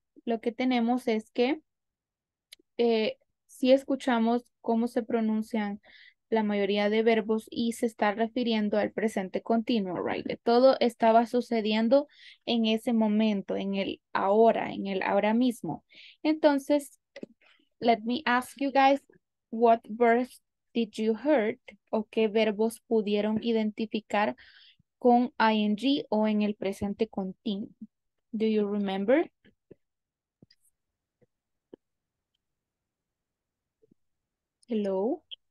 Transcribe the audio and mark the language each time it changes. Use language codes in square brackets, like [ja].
[es] Lo que tenemos es que si escuchamos cómo se pronuncian la mayoría de verbos y se está refiriendo al presente continuo, [en] right? [es] Todo estaba sucediendo en ese momento, en el ahora mismo. [en] Entonces, let me ask you guys, what verbs did you heard? [es] ¿O qué verbos pudieron identificar con ing o en el presente continuo? [en] Do you remember? Hello?